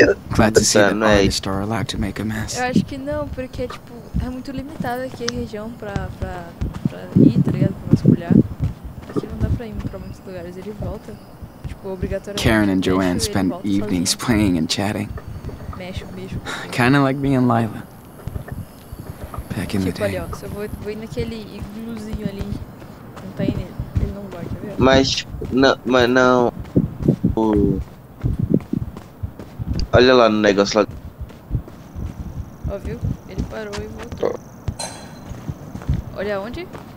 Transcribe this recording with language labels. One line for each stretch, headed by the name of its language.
English: Glad to see that the artists are allowed to make a mess.
Portuguese: Eu acho que não, porque tipo, é muito limitada aqui a região pra ir, tá ligado? Pra vasculhar. Aqui não dá pra ir pra muitos lugares, ele volta. Tipo, obrigatoriamente.
English: Karen and Joanne spend evenings playing and chatting.
Portuguese: Mexe o bicho.
English: Kinda like me and Lila. Back in
Portuguese: tipo,
English: the day.
Portuguese: Olha, ó, se eu vou ir naquele igluzinho ali, não tá aí nele. Mas não. Olha lá no negócio lá. Óbvio, ele parou e voltou. Olha onde?